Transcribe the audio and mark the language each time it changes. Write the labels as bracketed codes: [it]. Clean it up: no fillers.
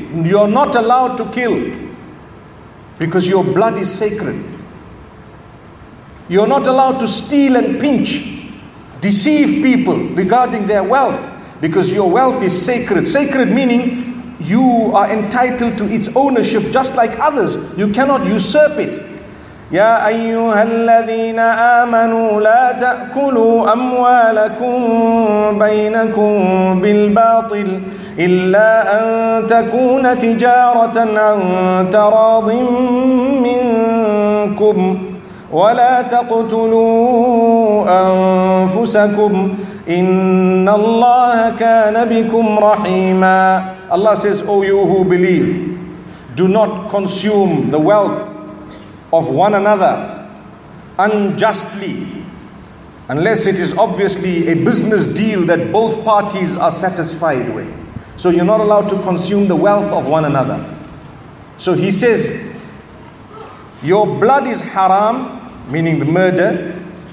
[en] You're not allowed to kill because your blood is sacred. You're not allowed to steal and pinch, deceive people regarding their wealth because your wealth is sacred. Sacred meaning, you are entitled to its ownership just like others. You cannot usurp it. [ar] يا أيها الذين آمنوا لا تأكلوا أموالكم بينكم بالباطل إلا أن تكون تجارة عن تراض منكم ولا تقتلوا أنفسكم إن الله كان بكم رحيما. [en] Allah says, O you who believe, do not consume the wealth of one another unjustly, unless it is obviously a business deal that both parties are satisfied with. So you're not allowed to consume the wealth of one another. So he says, your blood is haram, meaning the murder.